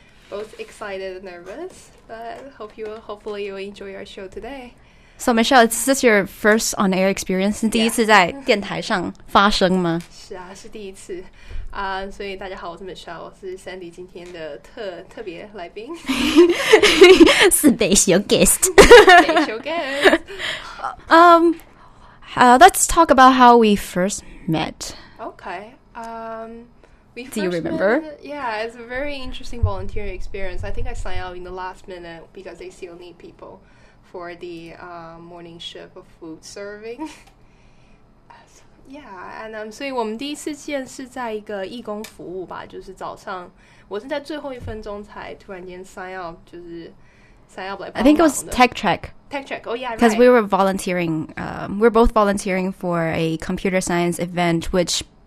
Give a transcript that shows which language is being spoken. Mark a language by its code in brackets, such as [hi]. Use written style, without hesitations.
[en] Both excited and nervous, but hopefully you'll enjoy our show today. So Michelle, is this your first on-air experience? [zh] 第一次在电台上发声吗？是啊，是第一次。所以大家好，我是 Michelle， 我是 Sandy 今天的特别来宾。 [en] Special guest. Special guest. Let's talk about how we first met. Okay. Do you remember? Yeah, it's a very interesting volunteering experience. I think I signed out in the last minute because they still need people for the morning shift of food serving. [zh] So 所以我们第一次见是在一个义工服务吧，就是早上，我是在最后一分钟才突然间 sign up 来帮忙 [en] 的。I think it was Tech Trek. Oh yeah, because we were volunteering. We're both volunteering for a computer science event, which.